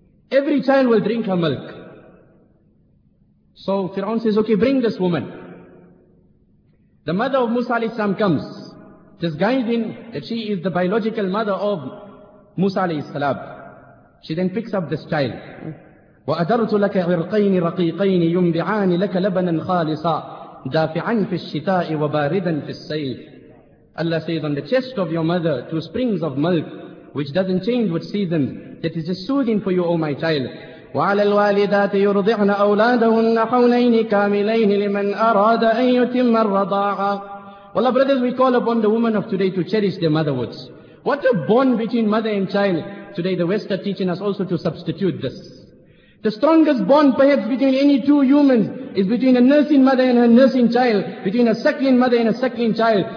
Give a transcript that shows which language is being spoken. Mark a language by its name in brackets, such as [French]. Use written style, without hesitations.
[English] Every child will drink her milk. So Fir'aun says, okay, bring this woman. The mother of Musa alayhi salam comes, disguising that she is the biological mother of Musa alayhi salam. She then picks up this child. [Arabic] وأدرت لك عرقين رقيقين ينبعان لك لبنا خالصا دافعا في الشتاء وباردا في الصيف. [English] Allah says, on the chest of your mother, two springs of milk, which doesn't change with season, that is just soothing for you, O my child. [Arabic] وعلى الوالدات يرضعن أولادهن حولين كاملين لمن أراد أن يتم الرضاعة. [English] Well, our brothers, we call upon the women of today to cherish their motherhoods. What a bond between mother and child. Today the West are teaching us also to substitute this. The strongest bond perhaps between any two humans is between a nursing mother and her nursing child, between a suckling mother and a suckling child.